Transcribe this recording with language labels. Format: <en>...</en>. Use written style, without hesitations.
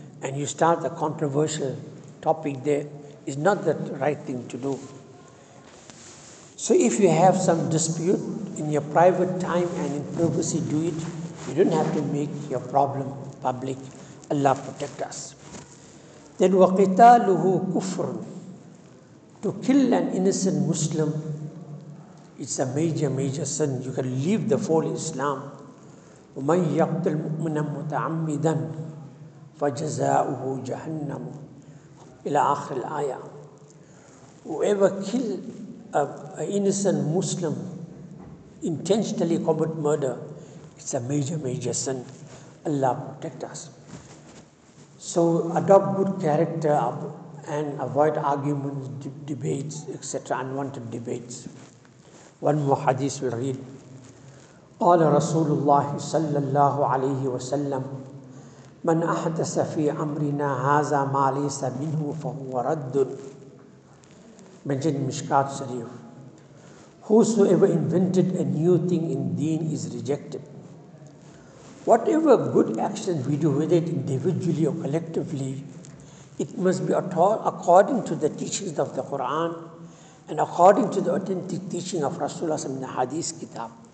<en>And you start a controversial topic there. Is not the right thing to do. So if you have some dispute in your private time and in privacy, do it. You don't have to make your problem public. Allah protect us. Then</en> <ar>وَقِتَالُهُ كُفْرٌ.</ar> <en>To kill an innocent Muslim, it's a major, major sin. You can leave the fold of Islam.</en> <ar>وَمَنْ يَقْتَلْ مُؤْمِنًا مُتَعَمِّدًا فَجَزَاؤُهُ جَهَنَّمُ إلى آخر الآية.</ar> <en>Whoever kill an innocent Muslim, intentionally commit murder, it's a major, major sin. Allah protect us. So adopt good character and avoid arguments, debates, etc., unwanted debates. One more hadith we'll read.</en> <ar>قال رسول الله صلى الله عليه وسلم من أحدث في أمرنا هذا ما ليس منه فهو رد.</ar> <en>Mentioned in Mishkat Sharif. Whosoever invented a new thing in deen is rejected. Whatever good action we do, whether it individually or collectively, it must be according to the teachings of the Quran and according to the authentic teaching of Rasulullah in the Hadith Kitab.</en>